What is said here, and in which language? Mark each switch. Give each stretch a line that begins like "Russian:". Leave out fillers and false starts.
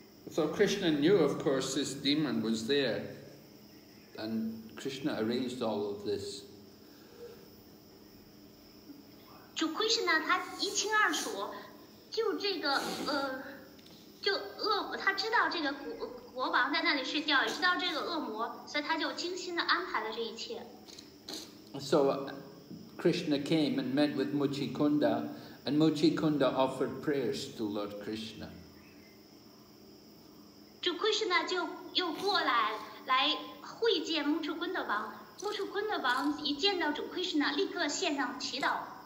English: So Krishna knew, of course, this demon was there, and Krishna arranged all of this.
Chinese: 主 Krishna 他一清二楚，就这个就恶，他知道这个国王在那里睡觉，也知道这个恶魔，所以他就精心的安排了这一切。
English: So Krishna came and met with Muchikunda, and Muchikunda offered prayers to Lord Krishna.
Chinese: 主 Krishna 就又过来来会见 Muchikunda 王。 Muchikunda 王一见到主 Krishna， 立刻献上祈祷。